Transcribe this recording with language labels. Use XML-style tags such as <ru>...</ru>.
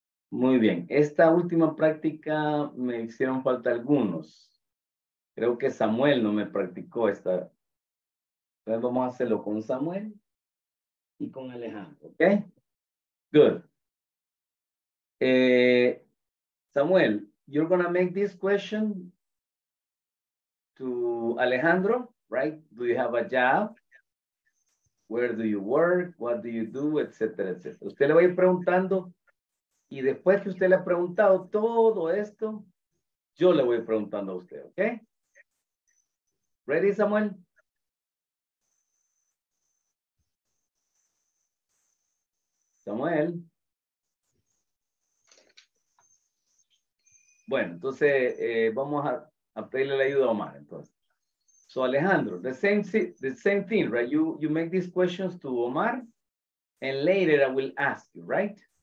<es>Muy bien. Esta última práctica me hicieron falta algunos. Creo que Samuel no me practicó esta. Entonces vamos a hacerlo con Samuel y con Alejandro.</es> <en>¿Ok? Good. Samuel, you're going to make this question to Alejandro, right? Do you have a job? Where do you work? What do you do? Etcétera, etcétera.</en> <es>Usted le va a ir preguntando. Y después que usted le ha preguntado todo esto, yo le voy preguntando a usted, ¿ok? ¿Ready, Samuel? Samuel. Bueno, entonces vamos a pedirle la ayuda a Omar, entonces.</es> <en>So, Alejandro, the same thing, right? You make these questions to Omar, and later I will ask you, right?</en>